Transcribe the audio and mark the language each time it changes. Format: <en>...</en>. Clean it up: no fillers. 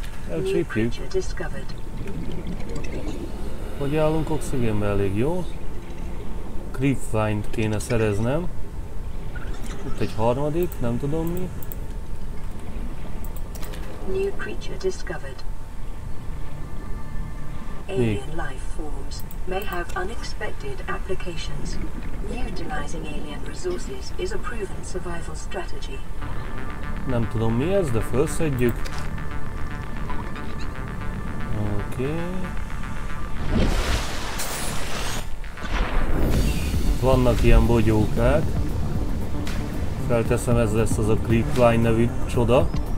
<hu>Elcsípjük. Hogy állunk oxigénbe? Elég jó. Creepvine-t kéne szereznem. Itt egy harmadik, nem tudom mi.</hu> <en>New creature discovered. Alien life forms may have unexpected applications. Utilizing alien resources is a proven survival strategy.</en> <hu>Nem tudom mi ez, de felszedjük. Oké. Vannak ilyen bogyókák. Felteszem, ez lesz az a Creepvine nevű csoda.</hu>